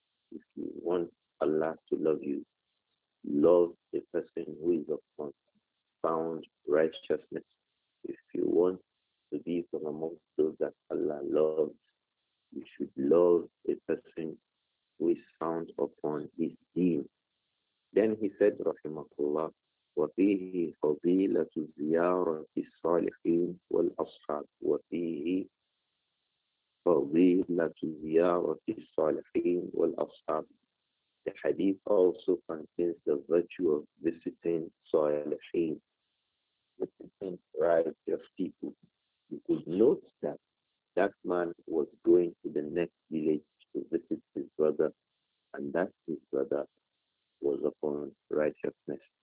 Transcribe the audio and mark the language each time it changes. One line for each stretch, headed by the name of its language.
English: If you want Allah to love you, love the person who is upon found righteousness. If you want to be from amongst those that Allah loves, you should love a person who is found upon his deen." Then he said,
Arabic: rahimahullah, وَفِيهِ فَضِيلَةُ زِيَارَةِ الصَّالِحِينَ وَالْأَصْحَابِ وَفِيهِ فَضِيلَةُ زِيَارَةِ الصَّالِحِينَ وَالْأَصْحَابِ.
English: The hadith also contains the virtue of visiting salihin, visiting righteous people. You could note that that man was going to the next village to visit his brother, and that his brother was upon righteousness.